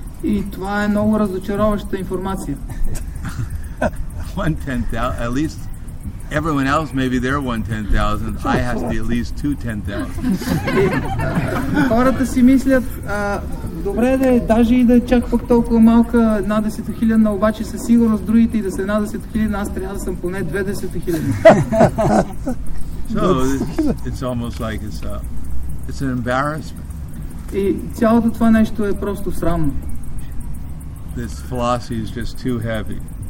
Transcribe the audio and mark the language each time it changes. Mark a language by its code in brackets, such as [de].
[bg] И това е много разочароваща информация. [en] One tenth, at least everyone else may be their 1/10,000. I have to be at least 2/10,000. [bg] Хората си мислят, добре да е, даже и да е чак пък толкова малка, една десетохилядна, обаче със сигурност другите и да са една десетохилядна, аз трябва да съм поне 2/10,000. [en] So it's almost like it's an embarrassment. [bg] И цялото това нещо е просто срамно. [en] This philosophy is just too heavy.